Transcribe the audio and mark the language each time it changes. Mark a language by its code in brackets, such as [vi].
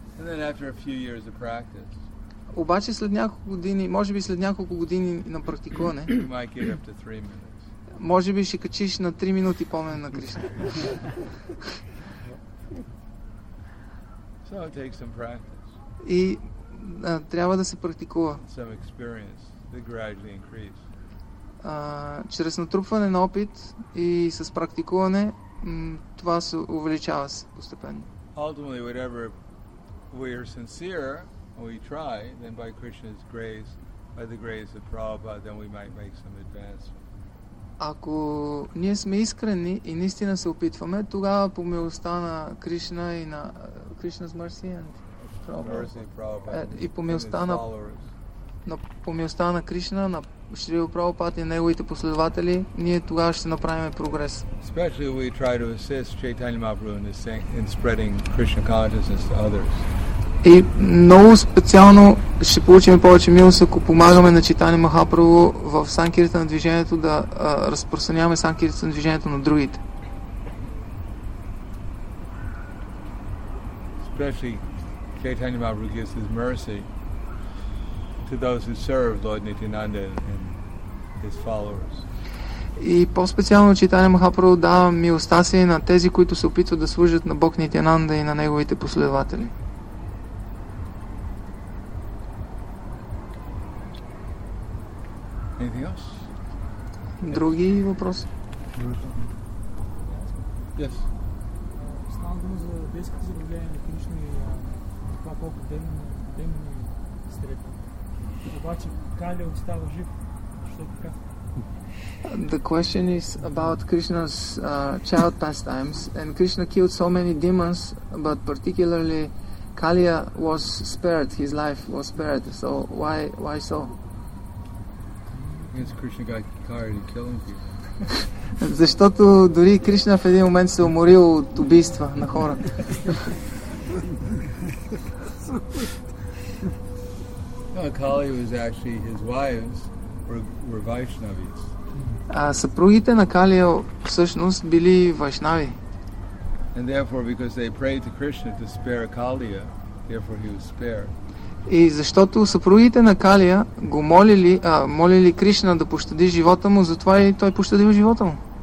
[en] And then after a few years of practice. [bg] Обаче след няколко години, може би след няколко години на практикуване, [en] you might get up to 3 minutes. [bg] Може би ще качиш на 3 минути помнене на Кришна. [en] So it takes some practice. [bg] И трябва да се практикува. [en] Some experience that gradually increase. [bg] Чрез натрупване на опит и с практикуване това се увеличава постепенно. [en] Ultimately, whatever we are sincere, we try, then by Krishna's grace, by the grace of Prabhupada, then we might make some advancement. [bg] Ако ние сме искрени и наистина се опитваме, тогава по милостта на Кришна и на Кришна's [en] mercy and Prabhupada, [bg] и по милостта на Кришна, на Шрила Прабхупад и неговите последователи, ние тогава ще направим прогрес. [en] Especially we try to assist Chaitanya Mahaprabhu in spreading Krishna consciousness to others. [bg] И много специално ще получим повече милост, ако помагаме на Чайтани Махапрабху в санкирта на движението да разпространяваме санкирта на движението на другите. [en] Especially Chaitanya Mahaprabhu gives his mercy to those who serve Lord Nityananda and his followers. [bg] И по-специално Чайтани Махапрабху дава милостта си на тези, които се опитват да служат на Бог Нитянанда и на неговите последователи. Други въпроси? [en] Yes. [bg] Става дума за детските заявления на Кришна и това колко демони изтрепва. Обаче Кали остава жив, защото така. [en] The question is about Krishna's child pastimes, and Krishna killed so many demons, but particularly Kali was spared, his life was spared. So why so? Because Krishna got tired of killing people. [bg] Защото дори Кришна в един момент се уморил от убийства на хора. [en] No, Kali was actually his wives were Vaishnavis. [bg] Съпругите на Кали всъщност били вайшнави. [en] And therefore, because they prayed to Krishna to spare Kali, therefore he was spared. [bg] И защото съпругите на Калия го молили Кришна да пощади живота му, затова и той пощадил живота му.